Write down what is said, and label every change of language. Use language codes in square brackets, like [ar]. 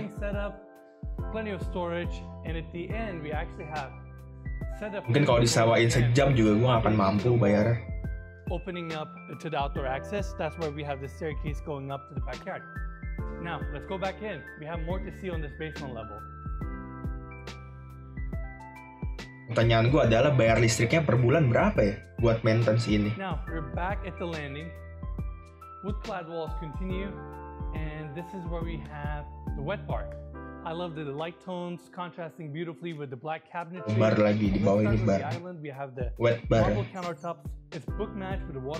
[en] Setup, plenty of storage, and at the end we actually have. [id] Mungkin kalau disewain sejam juga gue gak akan mampu bayar. [en] Opening up to the outdoor access, that's where we have the staircase going up to the backyard. Now, let's go back in. We have more to see on this basement level. [id] Pertanyaan gue adalah bayar listriknya per bulan berapa ya buat maintenance ini? [en] Now, we're back at the landing. Wood clad walls continue. And this is where we have the wet bar. I love the light tones contrasting beautifully with the black cabinetry. [id] Bar lagi di bawah ini bar. [en] Island, we have the wet bar. Marble countertops. It's book matched with the water.